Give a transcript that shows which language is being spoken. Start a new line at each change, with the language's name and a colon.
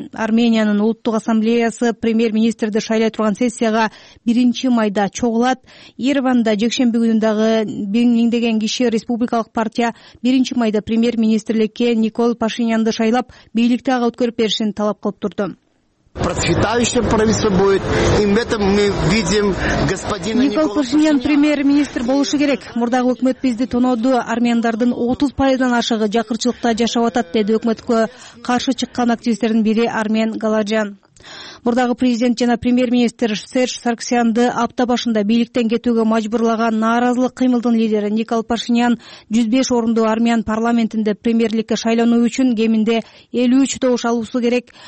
Kyrgyz: Армениянын улуттук ассамблеясы премьер-министрди шайлай турган сессияга 1-майда чогулат. Ереванда жекшемби күнү дагы миңдеген киши республикалык партия 1-майда премьер-министрлекке Никол Пашинянды шайлап бийликти ага өткөрүп беришин талап кылып турду.
Russian: Процветающее правительство будет. И в этом мы видим господина Никола
Kyrgyz: Никол Пашинян премьер-министр болушу керек. Мурдагы өкмөт бизди тоноду. Армяндардын 30%дан ашыгы жакырчылыкта жашап атат, деди өкмөткө каршы чыккан активисттердин бири Армен Галаджан. Мурдагы президент жана премьер-министр Серж Сарксянды апта башында бийликтен кетүүгө мажбурлаган нааразылык кыймылдын лидери Никол Пашинян 105 орундуу армян парламентинде премьерликке шайлануу үчүн кеминде 53 добуш алуусу керек.